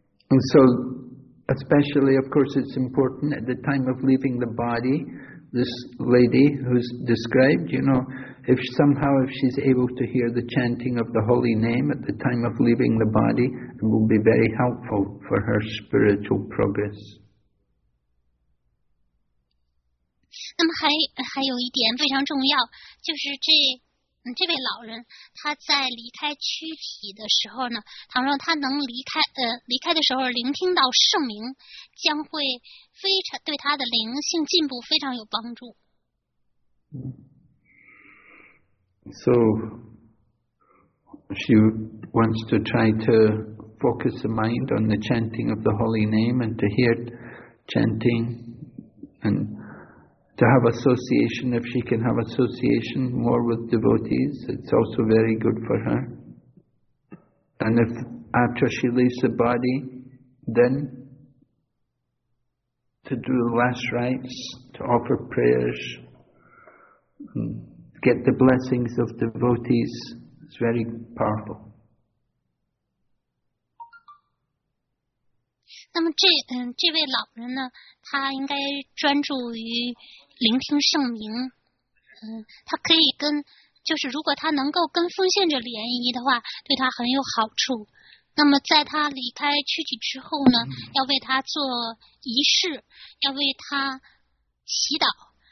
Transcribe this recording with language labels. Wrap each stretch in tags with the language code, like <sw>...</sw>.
<en>And so, especially, of course, it's important at the time of leaving the body, this lady who's described, you know, if she's able to hear the chanting of the holy name at the time of leaving the body, it will be very helpful for her spiritual progress.</en> <zh>那么还有一点非常重要，就是这位老人他在离开躯体的时候呢，倘若他能离开的时候聆听到圣名，将会非常对他的灵性进步非常有帮助。</zh> <en>So she wants to try to focus the mind on the chanting of the holy name and to hear chanting and to have association. If she can have association more with devotees, it's also very good for her. And if after she leaves the body, then to do the last rites, to offer prayers, get the blessings of devotees, it's very powerful.</en> <zh>那么这位老人呢，他应该专注于聆听圣名，他可以跟，就是如果他能够跟奉献者联谊的话，对他很有好处。那么在他离开躯体之后呢，要为他做仪式，要为他祈祷。</zh>